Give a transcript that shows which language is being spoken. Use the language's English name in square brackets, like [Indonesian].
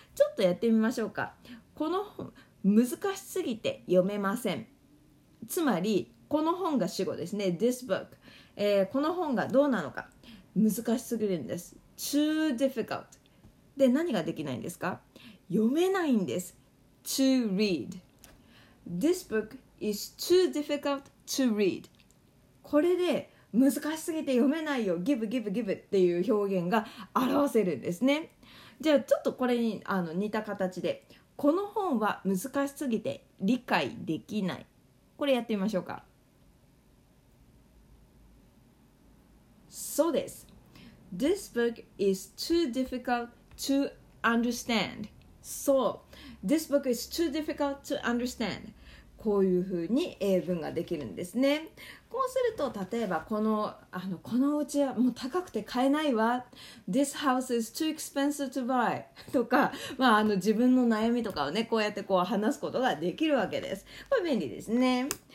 [Japanese] ちょっとやってみましょうか。この難しすぎて読めません、つまりこの本が主語ですね。 [English] This book、 [Japanese] この本がどうなのか、難しすぎるんです。 [English] Too difficult [Japanese] で何ができないんですか。読めないんです。 To read、 [English] This book is too difficult to read。 [Japanese] これで難しすぎて読めないよ、 [English] Give, give, give [Japanese] っていう表現が表せるんですね。じゃあちょっとこれにあの似た形で、この本は難しすぎて理解できない、これやってみましょうか。そうです。 [English] This book is too difficult to understand. そう、 This book is too difficult to understand. [Japanese] こういうふうに英文ができるんですね。こうすると例えばこのお家はもう高くて買えないわ、 [English] This house is too expensive to buy [Japanese] とか、まあ、あの自分の悩みとかをねこうやってこう話すことができるわけです。これ便利ですね。